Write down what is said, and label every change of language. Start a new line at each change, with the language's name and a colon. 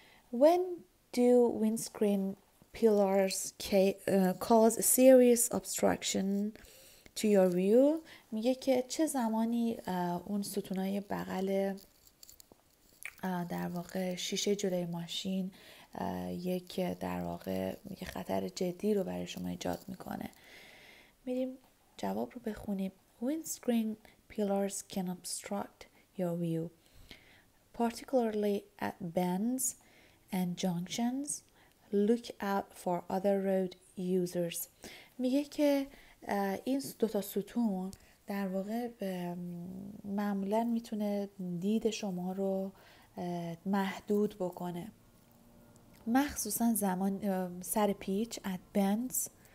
English: When do windscreen pillars cause a serious obstruction to your view؟
Persian: میگه که چه زمانی اون ستونای بغل در واقع شیشه جلوی ماشین یک در واقع یک خطر جدی رو برای شما ایجاد میکنه. میریم جواب رو بخونیم.
English: Windscreen pillars can obstruct your view, particularly at bends and junctions. Look out for other road users.
Persian: میگه که این دوتا ستون در واقع معمولا میتونه دید شما رو محدود بکنه، مخصوصا زمان سر پیچ
English: at bends.